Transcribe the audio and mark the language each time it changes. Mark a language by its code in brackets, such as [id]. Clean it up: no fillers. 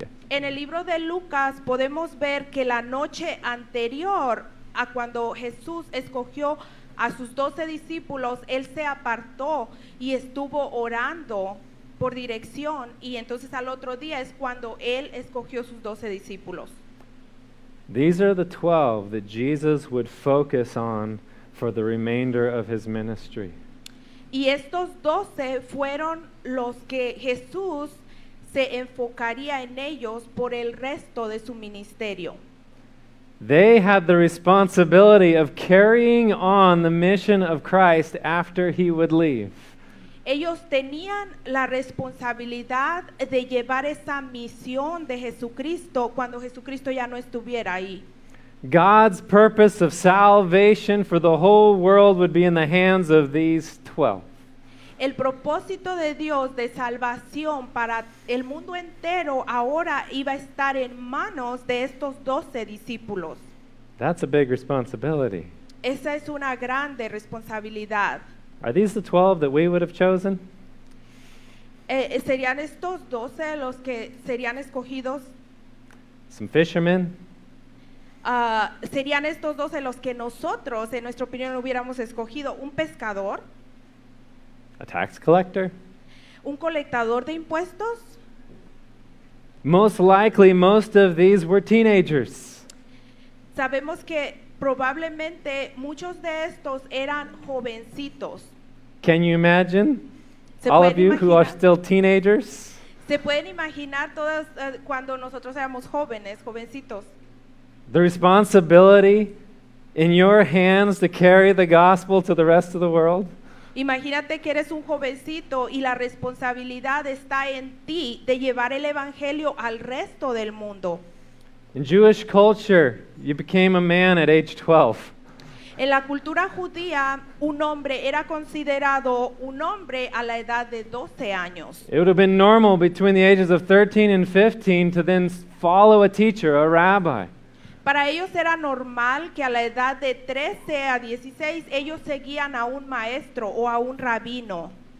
[es] En el libro de Lucas podemos ver que la noche anterior a cuando Jesús escogió a sus 12 discípulos, él se apartó y estuvo orando por dirección, y entonces al otro día es cuando él escogió sus 12 discípulos. [en] These are the 12 that Jesus would focus on for the remainder of his ministry. [es] Y estos 12 fueron los que Jesús se enfocaría en ellos por el resto de su ministerio. [en] They had the responsibility of carrying on the mission of Christ after he would leave. [es] Ellos tenían la responsabilidad de llevar esa misión de Jesucristo cuando Jesucristo ya no estuviera ahí. [en] God's purpose of salvation for the whole world would be in the hands of these 12. [es] El propósito de Dios de salvación para el mundo entero ahora iba a estar en manos de estos 12 discípulos. [en] That's a big responsibility. [es] Esa es una grande responsabilidad. [en] Are these the 12 that we would have chosen? [es] ¿Serían estos 12 los que serían escogidos? [en] Some fishermen. [es] ¿Serían estos 12 los que nosotros, en nuestra opinión, hubiéramos escogido? ¿Un pescador? [en] A tax collector. [es] Un colectador de impuestos. [en] Most likely, most of these were teenagers. [es] Sabemos que probablemente muchos de estos eran jovencitos. [en] Can you imagine? All of you who are still teenagers? [es] ¿Se pueden imaginar todos cuando nosotros éramos jóvenes, jovencitos? [en] The responsibility in your hands to carry the gospel to the rest of the world. [es] Imagínate que eres un jovencito y la responsabilidad está en ti de llevar el evangelio al resto del mundo. [en] In Jewish culture, you became a man at age 12. [es] En la cultura judía, un hombre era considerado un hombre a la edad de 12 años. [en] It would have been normal between the ages of 13 and 15 to then follow a teacher, a rabbi. [es] Para ellos era normal que a la edad de 13 a 16 ellos seguían a un maestro o a un rabino.